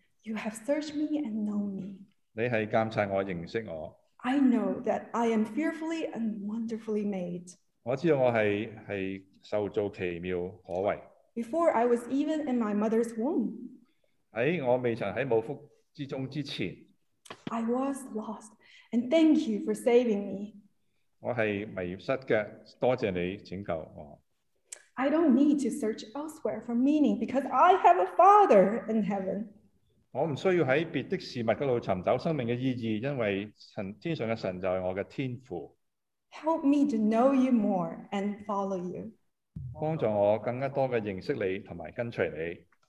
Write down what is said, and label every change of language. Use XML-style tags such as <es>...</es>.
<en>You have searched me and known me.</en> <yue>你係監察我，認識我。</yue> <en>I know that I am fearfully and wonderfully made.</en> <yue>我知道我係受造奇妙可畏。</yue> <en>Before I was even in my mother's womb.</en> <yue>喺我未曾喺母腹之中之前。</yue> <en>I was lost, and thank you for saving me.</en> <yue>我係迷失嘅，多謝你拯救我。</yue> <en>I don't need to search elsewhere for meaning because I have a Father in heaven.</en> <yue>我唔需要喺別的事物嗰度尋找生命嘅意義，因為天上嘅神就係我嘅天父。</yue> <en>Help me to know you more and follow you.</en> <yue>幫助我更加多嘅認識你同埋跟隨你。</yue>